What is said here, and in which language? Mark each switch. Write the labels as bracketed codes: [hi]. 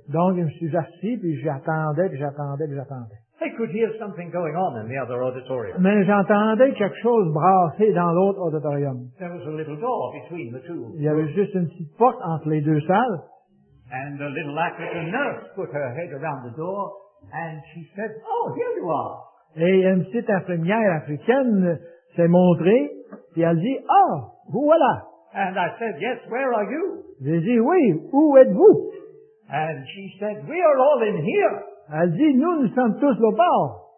[fr] Donc, je me suis assis, puis j'attendais, puis j'attendais, puis j'attendais. [en] I could hear something going on in the other auditorium. [fr] Mais j'entendais quelque chose brasser dans l'autre auditorium. [en] There was a little door between the two. [fr] Il y avait juste une petite porte entre les deux salles. [en] And a little African nurse put her head around the door and she said, oh, here you are. [fr] Et une petite infirmière africaine s'est montrée, puis elle dit, oh, vous voilà. [en] And I said, yes, where are you? [fr] J'ai dit, oui, où êtes-vous? [en] And she said, we are all in here. [fr] Elle dit, nous sommes tous là-bas.